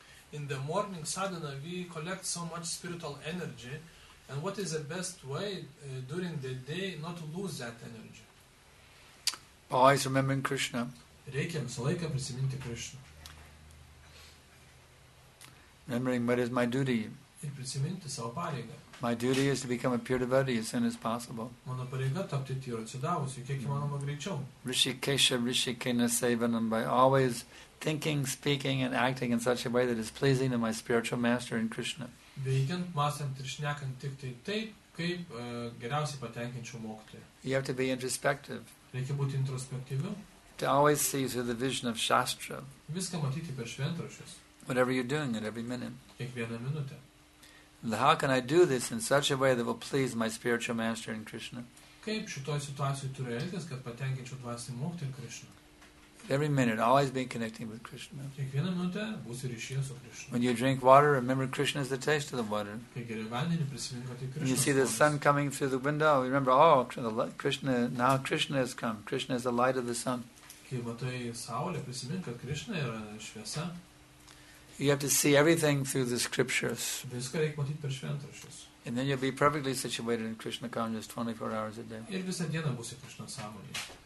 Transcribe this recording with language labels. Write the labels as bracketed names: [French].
[English] In the morning sadhana, we collect so much spiritual energy, and what is the best way during the day not to lose that energy? Always remembering Krishna. [Lithuanian] Reikia visą laiką prisiminti Krishna. [English] Remembering what is my duty. [Lithuanian] Ir prisiminti savo pareigą. [English] My duty is to become a pure devotee as soon as possible. [Lithuanian] Mano pareiga tapti tyru atsidavusiu, kiek įmanoma greičiau. [Sanskrit] Rishikesha, Rishikena Sevanam, [English] by always thinking, speaking and acting in such a way that is pleasing to my spiritual master in Krishna. [Lithuanian] Veikiant, mąstant ir šnekant tik tai taip, kaip geriausiai patenkinčiau mokytoją. [English] You have to be introspective. [Lithuanian] Reikia būti introspektyviu. [English] To always see through the vision of Shastra. [Lithuanian] Viską matyti per šventraščius. [English] Whatever you're doing at every minute. [Lithuanian] Kiekvieną minutę. [English] How can I do this in such a way that will please my spiritual master in Krishna? [Lithuanian] Kaip šitoje situacijoje turi elgtis, kad patenkinčiau dvasinį mokytį ir Krishna? [English] Every minute, always be connecting with Krishna. [Lithuanian] Kiekvieną minutę būsi ryšyje su Krishna. [English] When you drink water, remember Krishna is the taste of the water. [Lithuanian] Kai geri vandenį, prisimink, kad tai Krishna. [English] When you see the sun coming through the window, remember, oh, Krishna, now Krishna has come. Krishna is the light of the sun. [Lithuanian] Kai matai saulę, prisimink, kad Krishna yra šviesa. [English] You have to see everything through the scriptures. [Lithuanian] Viską reikia matyti per šventraščius. [English] And then you'll be perfectly situated in Krishna consciousness 24 hours a day. [Lithuanian] Ir visą dieną būsi Krishna sąmonėje.